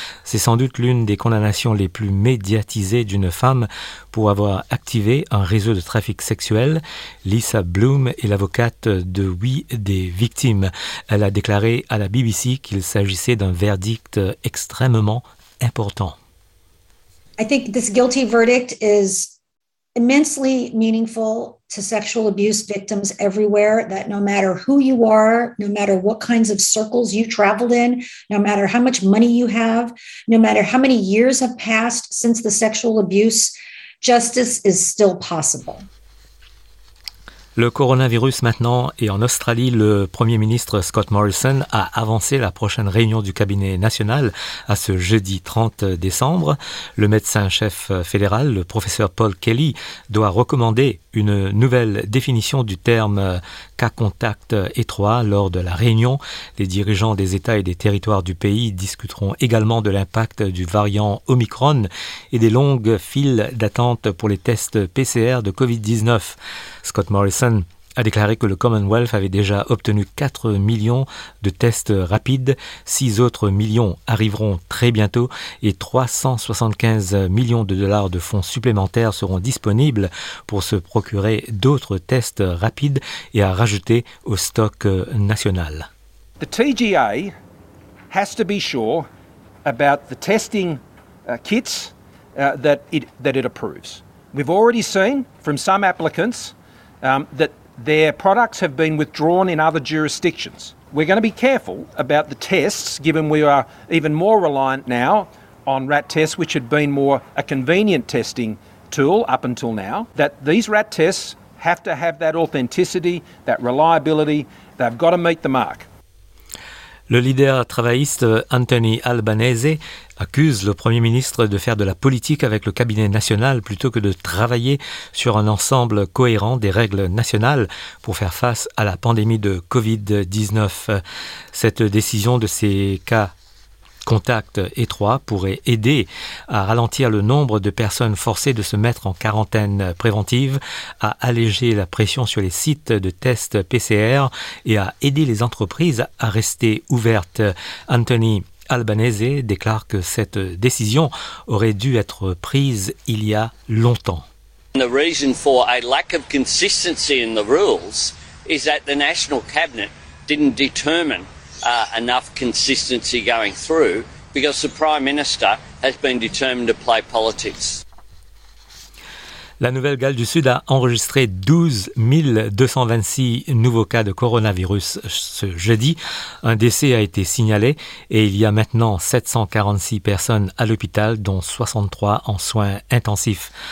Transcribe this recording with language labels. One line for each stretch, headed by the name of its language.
French: C'est sans doute l'une des condamnations les plus médiatisées d'une femme pour avoir activé un réseau de trafic sexuel. Lisa Bloom est l'avocate de 8 des victimes. Elle a déclaré à la BBC qu'il s'agissait d'un verdict extrêmement important.
English: I think this guilty verdict is immensely meaningful to sexual abuse victims everywhere, that no matter who you are, no matter what kinds of circles you traveled in, no matter how much money you have, no matter how many years have passed since the sexual abuse, justice is still possible.
French: Le coronavirus maintenant, et en Australie, le Premier ministre Scott Morrison a avancé la prochaine réunion du cabinet national à ce jeudi 30 décembre. Le médecin-chef fédéral, le professeur Paul Kelly, doit recommander une nouvelle définition du terme cas contact étroit lors de la réunion. Les dirigeants des États et des territoires du pays discuteront également de l'impact du variant Omicron et des longues files d'attente pour les tests PCR de COVID-19. Scott Morrison a déclaré que le Commonwealth avait déjà obtenu 4 millions de tests rapides, 6 autres millions arriveront très bientôt et 375 millions de dollars de fonds supplémentaires seront disponibles pour se procurer d'autres tests rapides et à rajouter au stock national.
English: The TGA has to be sure about the testing kits that it approves. We've already seen from some applicants that their products have been withdrawn in other jurisdictions. We're going to be careful about the tests, given we are even more reliant now on rat tests, which had been more a convenient testing tool up until now, that these rat tests have to have that authenticity, that reliability. They've got to meet the mark.
French: Le leader travailliste Anthony Albanese accuse le Premier ministre de faire de la politique avec le cabinet national plutôt que de travailler sur un ensemble cohérent des règles nationales pour faire face à la pandémie de COVID-19. Cette décision de ces cas contact étroit pourrait aider à ralentir le nombre de personnes forcées de se mettre en quarantaine préventive, à alléger la pression sur les sites de tests PCR et à aider les entreprises à rester ouvertes. Anthony Albanese déclare que cette décision aurait dû être prise il y a longtemps.
English: The reason for a lack of consistency in the rules is that the National Cabinet didn't determine enough consistency going through because the Prime Minister has been determined to play politics.
French: La Nouvelle-Galles du Sud a enregistré 12 226 nouveaux cas de coronavirus ce jeudi. Un décès a été signalé et il y a maintenant 746 personnes à l'hôpital, dont 63 en soins intensifs.